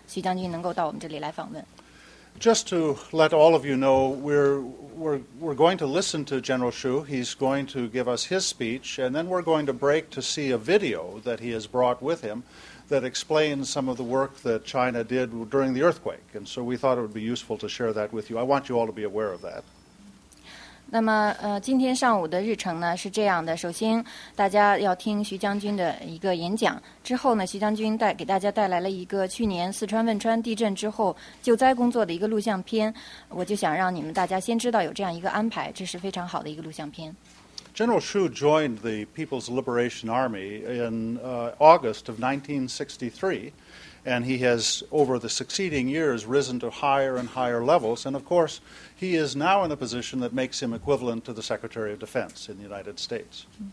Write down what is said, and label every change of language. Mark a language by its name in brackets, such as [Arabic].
[Chinese] 徐将军能够光临我们战略研究中心，战略和国际问题研究中心。过去呢，我们曾经几次认为，马上就能徐将军就能来了，但是因为各种原因，我们错过了那些机会。徐将军没有来访问，现在我们非常高兴，终于欢迎，徐将军能够到我们这里来访问。 [English] Just to let all of you know, we're going to listen to General Xu. He's going to give us his speech, and then we're going to break to see a video that he has brought with him. That explains some of the work that China did during the earthquake. And so we thought it would be useful to share that with you. I want you all to be aware of that. [Chinese] 那么今天上午的日程呢，是这样的。首先，大家要听徐将军的一个演讲。之后呢，徐将军带给大家带来了一个去年四川汶川地震之后救灾工作的一个录像片。我就想让你们大家先知道有这样一个安排，这是非常好的一个录像片。 [English] General Xu joined the People's Liberation Army in August of 1963, and he has, over the succeeding years, risen to higher and higher levels. And, of course, he is now in a position that makes him equivalent to the Secretary of Defense in the United States.